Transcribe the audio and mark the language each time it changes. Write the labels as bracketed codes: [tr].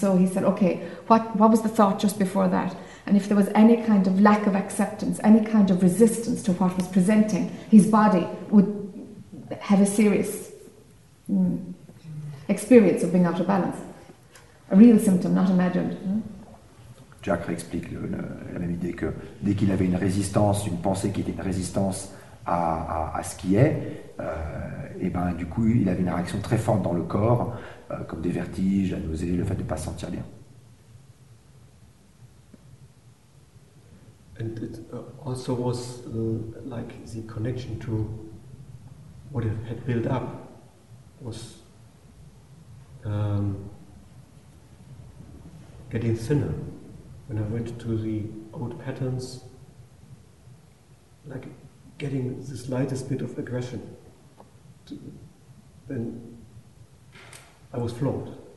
[en] So he said, okay, what was the thought just before that? And if there was any kind of lack of acceptance, any kind of resistance to what was presenting, his body would have a serious experience of being out of balance. A real symptom, not imagined. Hmm? [fr] Jack explique la même idée que dès qu'il avait une résistance, une pensée qui était une résistance à ce qui est, et ben du coup il avait une réaction très forte dans le corps, comme des vertiges, la nausée, le fait de ne pas se sentir bien. [en] And it also was like the connection to what it had built up was getting thinner. When I went to the old patterns, like getting the slightest bit of aggression, then I was floored.